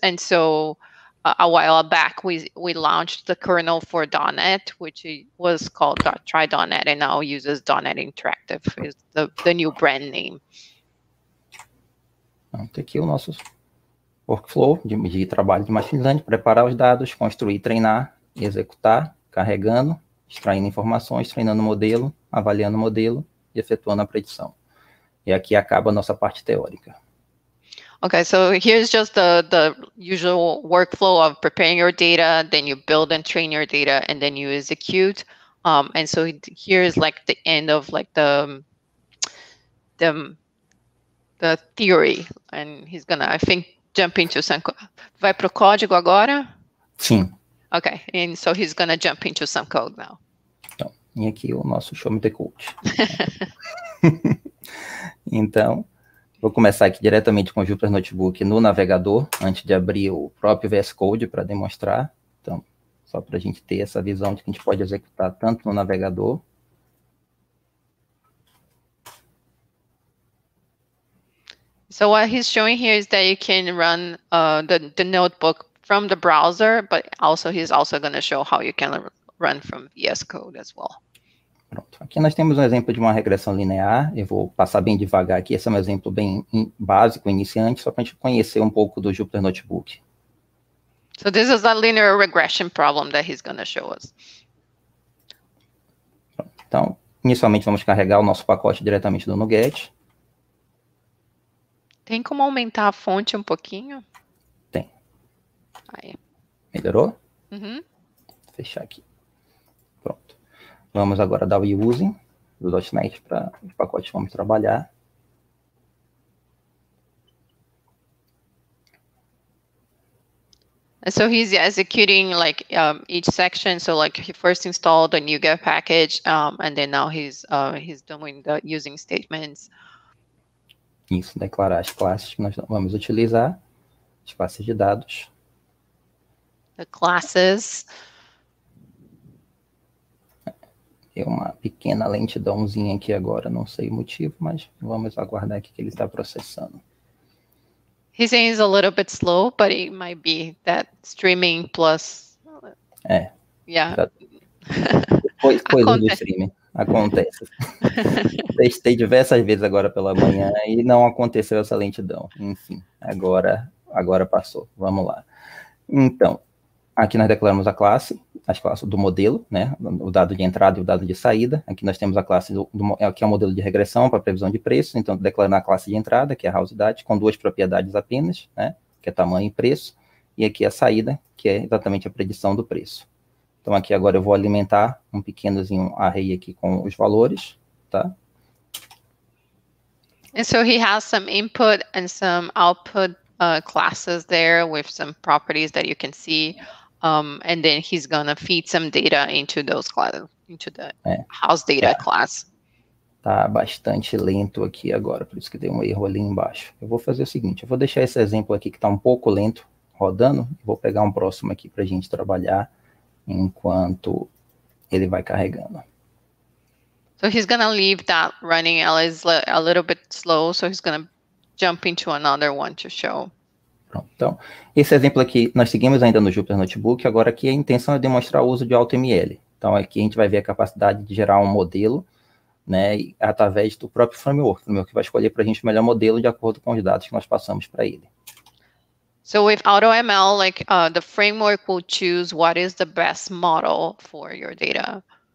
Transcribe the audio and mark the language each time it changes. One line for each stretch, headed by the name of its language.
English: And so a while back, we launched the kernel for .NET, which was called .try.NET, and now uses .NET Interactive, is the new brand name.
Portuguese: Então, aqui o nosso workflow de trabalho de machine learning, preparar os dados, construir, treinar, executar, carregando, extraindo informações, treinando o modelo, avaliando o modelo e efetuando a predição. E aqui acaba a nossa parte teórica.
English: Okay, so here's just the usual workflow of preparing your data, then you build and train your data, and then you execute. And so here's like the end of like the theory. And he's gonna, I think, jump into some.
Portuguese: Vai pro código agora? Sim.
English: Okay, and so he's gonna jump into some code now.
Portuguese: Então, e aqui o nosso
English: show me the code.
Portuguese: Então. Vou começar aqui diretamente com o Jupyter Notebook no navegador, antes de abrir o próprio VS Code para demonstrar. Então, só para a gente ter essa visão de que a gente pode executar tanto no navegador.
English: So what he's showing here is that you can run the notebook from the browser, but also he's also going to show how you can run from VS Code as well.
Portuguese: Pronto. Aqui nós temos um exemplo de uma regressão linear. Eu vou passar bem devagar aqui. Esse é um exemplo bem básico, iniciante, só para a gente conhecer um pouco do Jupyter Notebook.
English: So this is a linear regression problem that he's going to show us.
Portuguese: Pronto. Então, inicialmente vamos carregar o nosso pacote diretamente do NuGet. Tem como aumentar a fonte um pouquinho? Tem. Aí. Melhorou? Uhum. Fechar aqui. Vamos agora dar o using do .NET para os pacotes que vamos trabalhar.
English: So he's executing like each section. So like he first installed a NuGet package, and then now he's doing the using statements.
Portuguese: Isso, declarar as classes que nós vamos utilizar, as classes de dados.
English: The classes.
Portuguese: Tem uma pequena lentidãozinha aqui agora, não sei o motivo, mas vamos aguardar aqui que ele está processando.
English: He's saying it's a little bit slow, but it might be that streaming plus.
Portuguese: É.
English: Yeah.
Portuguese: Coisa do streaming. Acontece. Testei diversas vezes agora pela manhã e não aconteceu essa lentidão. Enfim, agora passou. Vamos lá. Então, aqui nós declaramos a classe. As classes do modelo, né? O dado de entrada e o dado de saída. Aqui nós temos a classe, que é o modelo de regressão para previsão de preços. Então, declarando a classe de entrada, que é a house date, com duas propriedades apenas, né? Que é tamanho e preço. E aqui a saída, que é exatamente a predição do preço. Então, aqui agora eu vou alimentar um pequenozinho array aqui com os valores, tá?
English: And so he has some input and some output classes there with some properties that you can see. And then he's going to feed some data into those classes, into the house data class.
Portuguese: Tá bastante lento aqui agora, por isso que deu um erro ali embaixo. Eu vou fazer o seguinte, eu vou deixar esse exemplo aqui que está um pouco lento rodando, vou pegar um próximo aqui para a gente trabalhar enquanto ele vai carregando.
English: So he's gonna leave that running a little bit slow, so he's gonna jump into another one to show.
Portuguese: Pronto, então, esse exemplo aqui, nós seguimos ainda no Jupyter Notebook, agora aqui a intenção é demonstrar o uso de AutoML. Então aqui a gente vai ver a capacidade de gerar um modelo, né, através do próprio framework, que vai escolher para a gente o melhor modelo de acordo com os dados que nós passamos para ele.
English: So with AutoML, like the framework will choose what is the best model for your data.